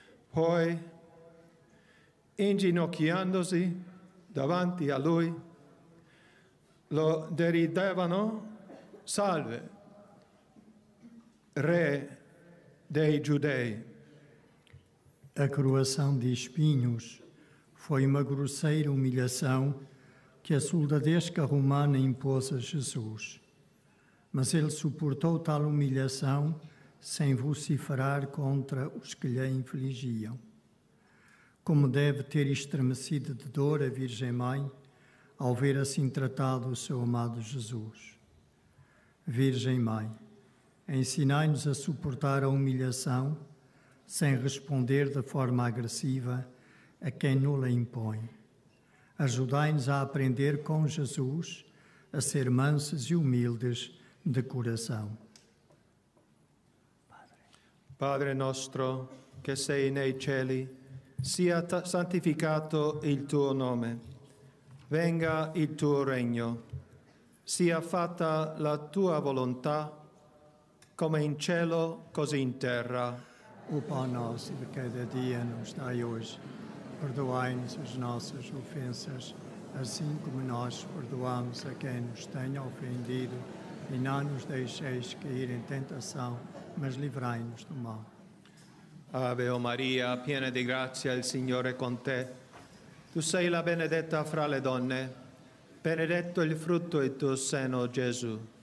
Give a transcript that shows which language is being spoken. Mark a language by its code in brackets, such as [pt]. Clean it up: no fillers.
[it] Poi, inginocchiandosi davanti a lui, lo deridevano: salve, re dei giudei. [pt] A coroação de espinhos foi uma grosseira humilhação que a soldadesca romana impôs a Jesus. Mas ele suportou tal humilhação sem vociferar contra os que lhe infligiam. Como deve ter estremecido de dor a Virgem Mãe ao ver assim tratado o seu amado Jesus. Virgem Mãe, ensinai-nos a suportar a humilhação sem responder de forma agressiva a quem nula impõe. Ajudai-nos a aprender com Jesus a ser mansos e humildes de coração. [it] Padre nostro, che sei nei cieli, sia santificato il tuo nome. Venga il tuo regno. Sia fatta la tua volontà, come in cielo, così in terra. [pt] O pão nosso de cada dia nos dai hoje. Perdoai-nos as nossas ofensas, assim como nós perdoamos a quem nos tenha ofendido. E não nos deixeis cair em tentação, mas livrai-nos do mal. [it] Ave Maria, piena di grazia, il Signore è con te. Tu sei la benedetta fra le donne. Benedetto il frutto del tuo seno, Gesù.